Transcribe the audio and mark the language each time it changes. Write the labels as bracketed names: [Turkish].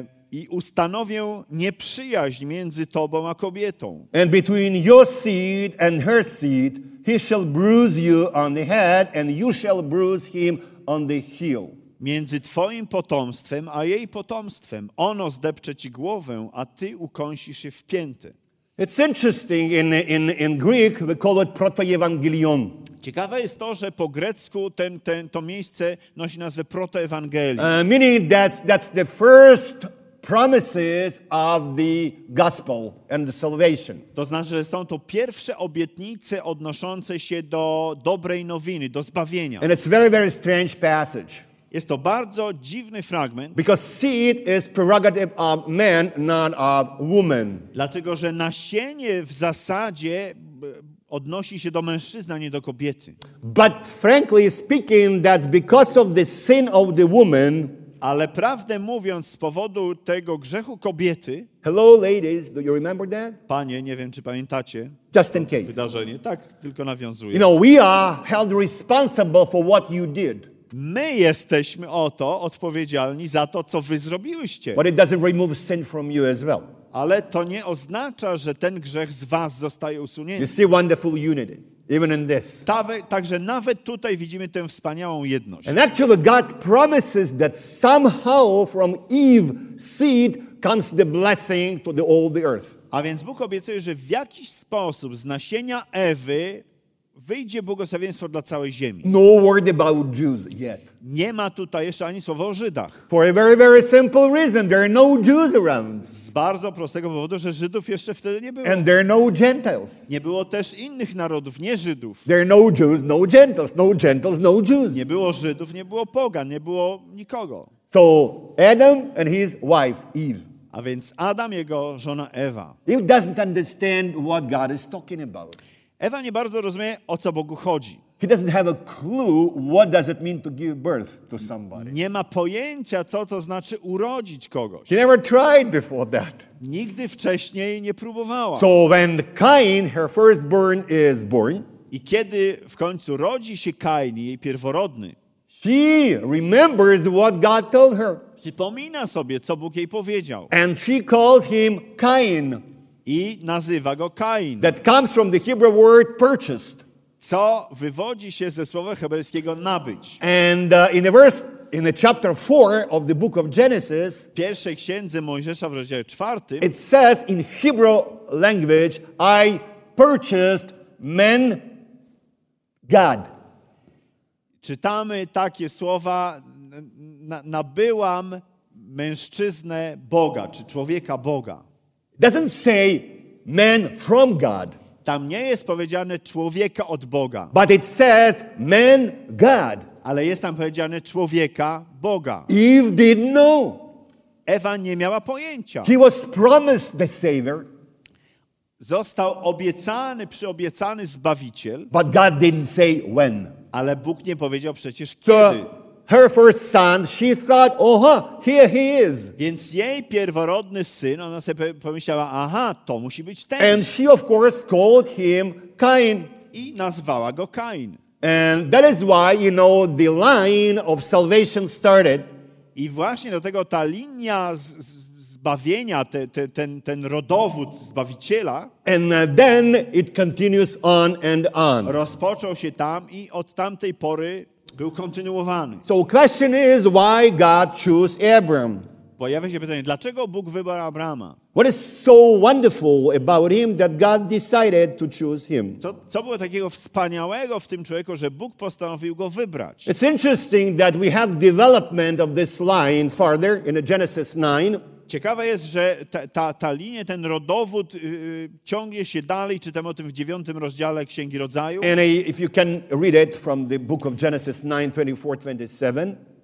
[Polish] I ustanowię nieprzyjaźń między tobą a kobietą. [English] And between your seed and her seed, he shall bruise you on the head, and you shall bruise him on the heel. [Polish] Między twoim potomstwem a jej potomstwem, ono zdepcze ci głowę, a ty ukąsisz się w pięty. [English] It's interesting. In Greek, we call it protoevangelion. [Polish] Ciekawe jest to, że po grecku to miejsce nosi nazwę protoevangelion. [English] Meaning that's the first promises of the gospel and the salvation. [Polish] To znaczy, że są to pierwsze obietnice odnoszące się do dobrej nowiny, do zbawienia. [English] And it's very, very strange passage. [Polish] Jest to bardzo dziwny fragment. [English] Because seed is prerogative of man, not of woman. [Polish] Dlatego, że nasienie w zasadzie odnosi się do mężczyzny, a nie do kobiety. [English] But frankly speaking, that's because of the sin of the woman. [Polish] Ale prawdę mówiąc, z powodu tego grzechu kobiety. [English] Hello, ladies, do you remember that? [Polish] Panie, nie wiem, czy pamiętacie. [English] Just in case. [Polish] Wydarzenie, tak, tylko nawiązuję. [English] You know, we are held responsible for what you did. [Polish] My jesteśmy o to odpowiedzialni za to, co wy zrobiłyście. [English] But it doesn't remove sin from you as well. [Polish] Ale to nie oznacza, że ten grzech z was zostaje usunięty. [English] You see wonderful unity. Even in this. [Polish] Także nawet tutaj widzimy tę wspaniałą jedność. [English] And actually God promises that somehow from Eve's seed comes the blessing to all the earth. [Polish] A więc Bóg obiecuje, że w jakiś sposób z nasienia Ewy wyjdzie błogosławieństwo dla całej ziemi. [English] No word about Jews yet. [Polish] Nie ma tutaj jeszcze ani słowa o Żydach. [English] For a very, very simple reason. There are no Jews around. [Polish] Z bardzo prostego powodu, że Żydów jeszcze wtedy nie było. [English] And there are no Gentiles. [Polish] Nie było też innych narodów, nie Żydów. [English] There are no Jews, no Gentiles. No Gentiles, no Jews. [Polish] Nie było Żydów, nie było pogan, nie było nikogo. [English] So Adam and his wife, Eve. [Polish] A więc Adam, jego żona Ewa. [English] Eve doesn't understand what God is talking about. [Polish] Ewa nie bardzo rozumie, o co Bogu chodzi. [English] He doesn't have a clue what does it mean to give birth to somebody. [Polish] Nie ma pojęcia, co to znaczy urodzić kogoś. [English] He never tried before that. [Polish] Nigdy wcześniej nie próbowała. [English] So when Cain, her firstborn, is born. [Polish] I kiedy w końcu rodzi się Cain, jej pierworodny. [English] She remembers what God told her. [Polish] Przypomina sobie, co Bóg jej powiedział. [English] And she calls him Cain. [Polish] I nazywa go Kain. [English] That comes from the Hebrew word purchased. [Polish] co wywodzi się ze słowa hebrajskiego nabyć. [English] And in the verse in the chapter 4 of the book of Genesis, [Polish] w pierwszej księdze Mojżesza w rozdziale 4, [English] it says in Hebrew language, I purchased men God. [Polish] Czytamy takie słowa, nabyłam mężczyznę Boga, czy człowieka Boga. [English] Doesn't say man from God. [Polish] Tam nie jest powiedziane człowieka od Boga. [English] But it says man God. [Polish] Ale jest tam powiedziane człowieka Boga. [English] Eve didn't know. [Polish] Ewa nie miała pojęcia. [English] He was promised the Savior. [Polish] Został obiecany, przyobiecany Zbawiciel. [English] But God didn't say when. [Polish] Ale Bóg nie powiedział przecież kiedy. [English] So her first son, she thought, oha, here he is. [Polish] Więc jej pierworodny syn, ona sobie pomyślała, aha, to musi być ten. [English] And she of course called him Cain. [Polish] I nazwała go Cain. [English] And that is why, you know, the line of salvation started. [Polish] I właśnie do tego ta linia zbawienia, ten rodowód Zbawiciela. [English] And then it continues on and on. [Polish] Rozpoczął się tam i od tamtej pory był kontynuowany. [English] So question is, why God choose Abram? [Polish] Pojawia się pytanie, dlaczego Bóg wybrał Abrama? [English] What is so wonderful about him that God decided to choose him? [Polish] Co było takiego wspaniałego w tym człowieku, że Bóg postanowił go wybrać? [English] It's interesting that we have development of this line further in Genesis 9. [Polish] Ciekawe jest, że ta linia, ten rodowód ciągnie się dalej. Czytamy o tym w 9 rozdziale Księgi Rodzaju. [English] And if you can read it from the book of Genesis 9:24-27.